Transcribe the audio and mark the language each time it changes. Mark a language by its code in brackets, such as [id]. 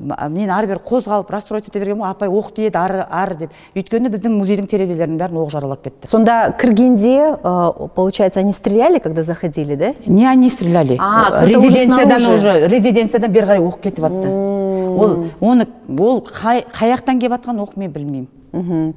[kk] Мен ары бері қозғалып, расстройство ете бергенмін, апай оқ тиеді ары деп. Өйткені біздің музейдің терезелерінің бәрін оқ жаралап кетті. Сонда кіргенде, [ru] получается, они стреляли, когда заходили, да? Не, они стреляли. [kk] Резиденциядан бері қарай оқ кетіп атты. Ол қаяқтан келіп атқан оқ мен білмеймін.